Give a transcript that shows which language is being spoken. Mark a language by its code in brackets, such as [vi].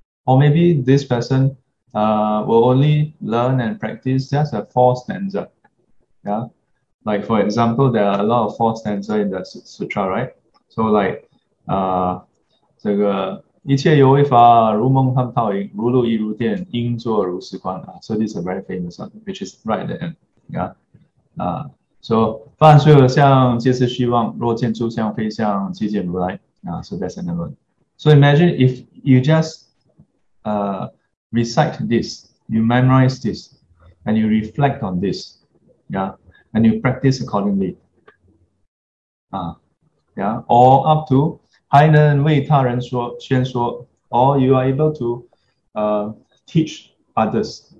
[en] Or maybe this person will only learn and practice just a four stanza. Yeah. Like for example, there are a lot of four stanza in the sutra, right? [zh] So like 这个一切有为法，如梦幻泡影，如露亦如电，应作如是观啊。 [en] So this is a very famous one, which is right at the end. Yeah. [zh] So 凡所有相，皆是虚妄。若见诸相非相，即见如来。 [en] So that's another one. So imagine if you just recite this, you memorize this, and you reflect on this, yeah, and you practice accordingly. Yeah, or up to [zh] 还能为他人说，宣说， [en] or you are able to teach others.